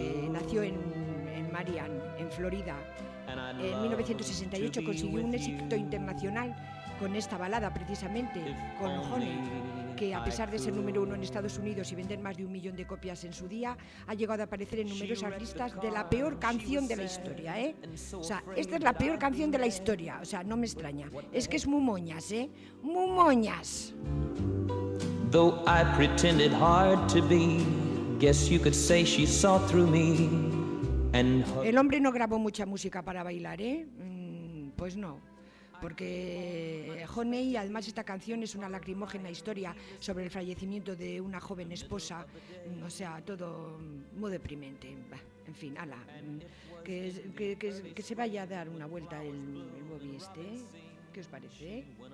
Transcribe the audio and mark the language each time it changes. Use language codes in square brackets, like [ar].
[es] Nació en Marion, en Florida. En 1968 consiguió un éxito internacional con esta balada, precisamente, con Honey, que a pesar de ser número uno en Estados Unidos y vender más de 1 millón de copias en su día, ha llegado a aparecer en numerosas listas de la peor canción de la historia, ¿eh? O sea, esta es la peor canción de la historia, o sea, no me extraña. Es que es muy moñas, ¿eh? Muy moñas. [en] Though I pretended hard to be, guess you could say she saw through me. [es] El hombre no grabó mucha música para bailar, ¿eh? Pues no, porque Honey, además esta canción es una lacrimógena historia sobre el fallecimiento de una joven esposa, o sea, todo muy deprimente, en fin, ala, que se vaya a dar una vuelta el Bobby este, ¿qué os parece?